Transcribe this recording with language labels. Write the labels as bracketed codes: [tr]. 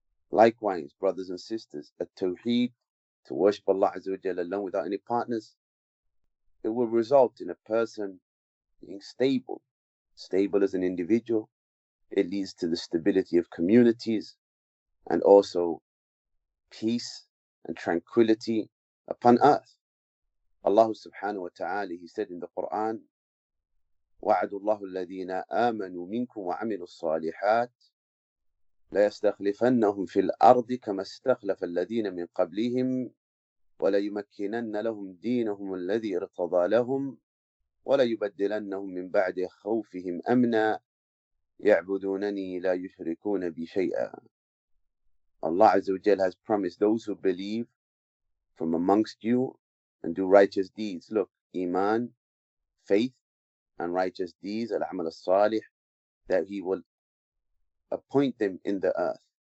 [en] Likewise, brothers and sisters, a tawheed, to worship Allah Azza wa Jalla alone without any partners, it will result in a person being stable, stable as an individual. It leads to the stability of communities and also peace and tranquility upon earth. Allah subhanahu wa ta'ala, He said in the Quran, [ar] وَعَدُ اللَّهُ الَّذِينَ آمَنُوا مِنْكُمْ وَعَمِلُوا الصَّالِحَاتِ لَيَسْتَخْلِفَنَّهُمْ فِي الْأَرْضِ كَمَا اسْتَخْلَفَ الَّذِينَ مِنْ قَبْلِهِمْ وَلَيُمَكِّنَنَّ لَهُمْ دِينَهُمُ الَّذِي ارْتَضَى لَهُمْ وَلَيُبَدِّلَنَّهُمْ مِنْ بَعْدِ خَوْفِهِمْ أَمْنًا يَعْبُدُونَنِي لَا يُشْرِكُونَ بِي شَيْئًا. [en] Allah Azza wa Jal has promised those who believe from amongst you and do righteous deeds. Look, Iman, faith, and righteous deeds, Al-Amal Al-Salih, that He will appoint them in the earth.